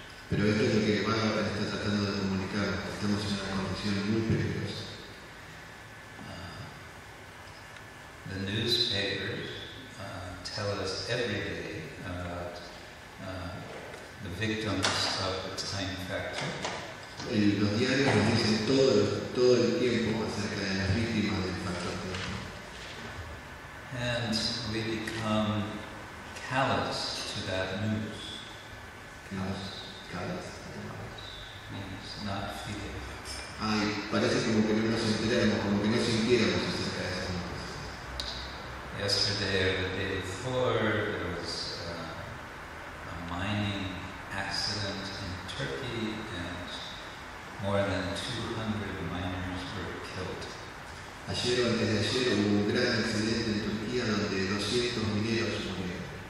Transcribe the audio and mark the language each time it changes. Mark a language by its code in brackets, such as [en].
[es] Pero esto es lo que Bhagavad Gita está tratando de comunicar. Estamos en una condición muy peligrosa. [en] The newspapers tell us every day about the victims of the time factor. [es] Y los diarios nos dicen todo el tiempo acerca de las víctimas del factor tiempo. [en] And we become callous to that news. Callous. Callous. Means not feeling. [es] Ay, parece como que no nos enteremos, como que no sintiéramos acerca de eso. [en] Yesterday or the day before, there was a mining accident in Turkey, and more than 200 miners were killed. [es] Ayer o antes de ayer hubo un gran accidente en Turquía donde 200 mineros murieron.